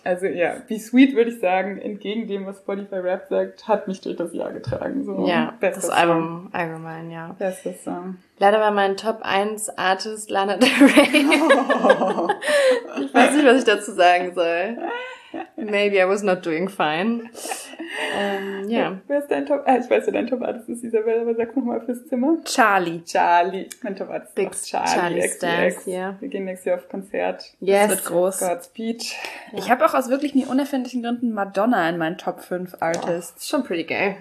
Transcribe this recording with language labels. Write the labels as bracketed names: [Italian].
[German] Also ja, be sweet würde ich sagen, entgegen dem, was Spotify Rap sagt, hat mich durch das Jahr getragen. So. Ja, bestes das Album Song. Allgemein, ja. Bestes Song. Leider war mein Top 1 Artist Lana Del Rey. Ich weiß nicht, was ich dazu sagen soll. [English] Maybe I was not doing fine. [German] Ja. Wer ist dein Top? Ich weiß ja, dein Top Artist ist Isabel, aber sag nochmal fürs Zimmer. Charlie. Mein Top Artist ist Big Charlie. Charlie Stans, ja. Wir gehen nächstes Jahr auf Konzert. [English] Yes. [German] Das wird groß. [English] Godspeed. [German] Ja. Ich habe auch aus wirklich nie unerfindlichen Gründen Madonna in meinen Top 5 Artists. Schon [English] pretty gay.